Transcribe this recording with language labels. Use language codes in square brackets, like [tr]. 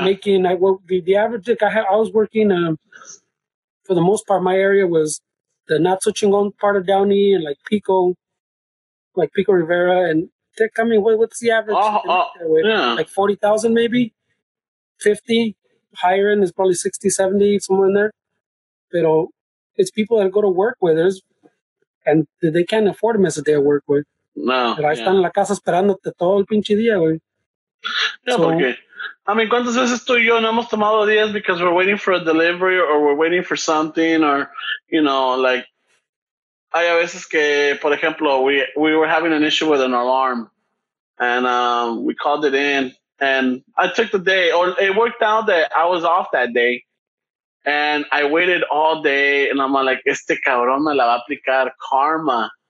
[en] Making the average, I was working for the most part, my area was the not so chingon part of Downey and like Pico Rivera. And they're coming, what's the average? Like 40,000 maybe? 50? Higher end is probably 60, 70, somewhere in there. But it's people that go to work with there's, and they can't afford them as a day of work with. No. [es] Pero ahí están en la casa esperándote todo el pinche día, güey. [en] Yeah, so, okay. I mean, [es] ¿cuántas veces tú y yo no hemos tomado días [en] because we're waiting for a delivery or we're waiting for something or, you know, like, [es] hay a veces que, por ejemplo, [en] we were having an issue with an alarm and we called it in and I took the day or it worked out that I was off that day and I waited all day and I'm like, [es] este cabrón me la va a aplicar karma.